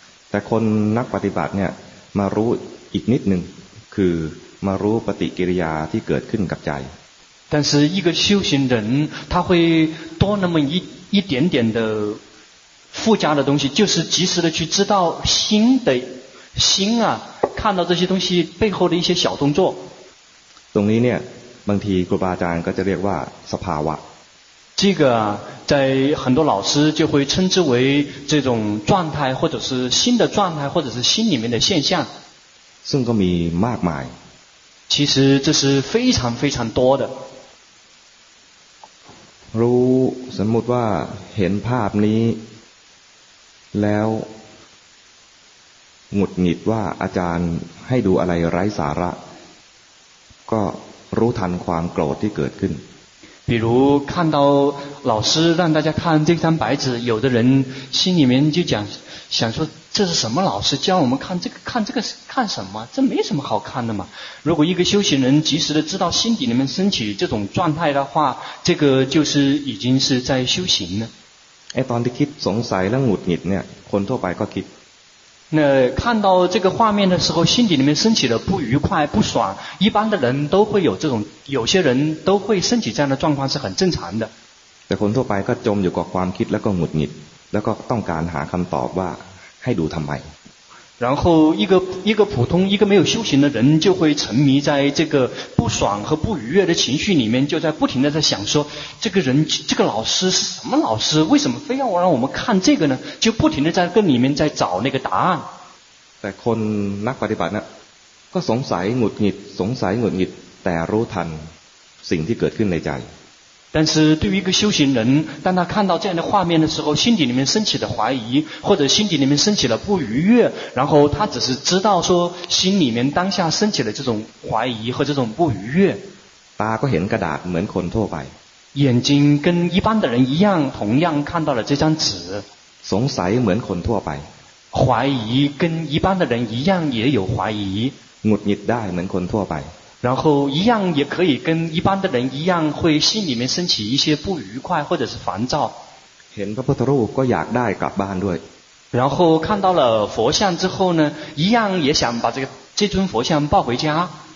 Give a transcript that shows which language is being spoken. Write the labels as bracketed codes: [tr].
[th] แต่คนนักปฏิบัติเนี่ยมารู้อีกนิดนึงคือมารู้ปฏิกิริยาที่เกิดขึ้นกับใจ [zh] 但是一个修行人他会多那么一点点的附加的东西就是及时的去知道心的心啊看到这些东西背后的一些小动作 [th] ตรงนี้เนี่ยบางทีครูบาอาจารย์ก็จะเรียกว่าสภาวะ [zh] 这个在很多老师就会称之为这种状态或者是心的状态或者是心里面的现象 [th] ซึ่งก็มีมากมาย [zh] 其实这是非常非常多的 [th] รู้สมมติว่าเห็นภาพนี้แล้วหงุดหงิดว่าอาจารย์ให้ดูอะไรไร้สาระก็รู้ทันความโกรธที่เกิดขึ้น [zh] 比如看到老师让大家看这张白纸有的人心里面就讲想说这是什么老师教我们看这个看这个看什么这没什么好看的嘛如果一个修行人及时的知道心底里面升起这种状态的话这个就是已经是在修行了 [th] ตอนที่คิดสงสัยและหงุดหงิดเนี่ยคนทั่วไปก็คิด [zh] 那看到这个画面的时候心底里面升起了不愉快不爽一般的人都会有这种有些人都会升起这样的状况是很正常的 [th] แต่คนทั่วไปก็จมอยู่กับความคิดแล้วก็หงุดหงิดแล้วก็ต้องการหาคำตอบว่าให้ดูทำไม [zh] 然后一个普通一个没有修行的人就会沉迷在这个不爽和不愉悦的情绪里面就在不停的在想说这个人这个老师是什么老师为什么非要让我们看这个呢就不停的在跟里面在找那个答案 [th] แต่คนนักปฏิบัติน่ะก็สงสัยหงุดหงิดสงสัยหงุดหงิดแต่รู้ทันสิ่งที่เกิดขึ้นในใจ [zh] 但是对于一个修行人当他看到这样的画面的时候心底里面升起了怀疑或者心底里面升起了不愉悦然后他只是知道说心里面当下升起了这种怀疑和这种不愉悦 [th] 他ก็เห็นกระดาษเหมือนคนทั่วไป [zh] 眼睛跟一般的人一样同样看到了这张纸 [th] สงสัยเหมือนคนทั่วไป [zh] 怀疑跟一般的人一样也有怀疑 [th] หงุดหงิดได้เหมือนคนทั่วไป [zh] 然后一样也可以跟一般的人一样会心里面升起一些不愉快或者是烦躁 [th] เห็นพระพุทธรูปก็อยากได้กลับบ้านด้วย [zh] 然后看到了佛像之后呢一样也想把这尊佛像抱回家